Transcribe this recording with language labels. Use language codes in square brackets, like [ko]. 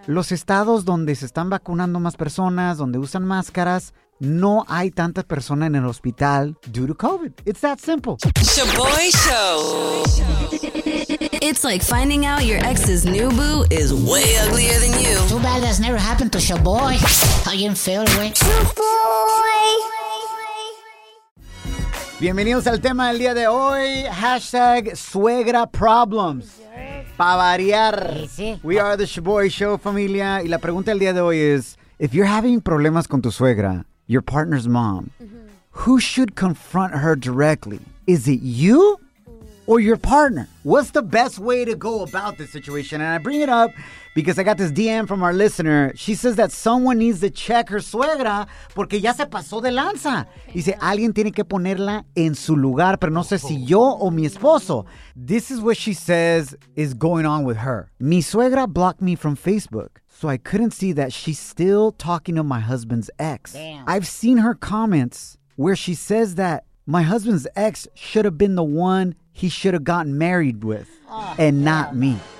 [es] Los estados donde se están vacunando más personas, donde usan máscaras, no hay tanta persona en el hospital [en] due to COVID. It's that simple. Shaboy Show. It's like finding out your ex's new boo is way uglier than you. Too bad that's never happened to Shaboy. I didn't feel it. Shaboy. [es] Bienvenidos al tema del día de hoy. Hashtag suegra problems. Pa' variar. [en] We are the Shaboy Show, familia. [es] Y la pregunta del día de hoy es, [en] if you're having [es] problemas con tu suegra, [en] your partner's mom, who should confront her directly? Is it you or your partner? What's the best way to go about this situation? And I bring it up because I got this DM from our listener. She says that someone needs to check her suegra [es] porque ya se pasó de lanza. Dice, alguien tiene que ponerla en su lugar, pero no sé si yo o mi esposo. [en] This is what she says is going on with her. Mi suegra blocked me from Facebook, so I couldn't see that she's still talking to my husband's ex. Damn. I've seen her comments where she says that my husband's ex should have been the one he should have gotten married with not me.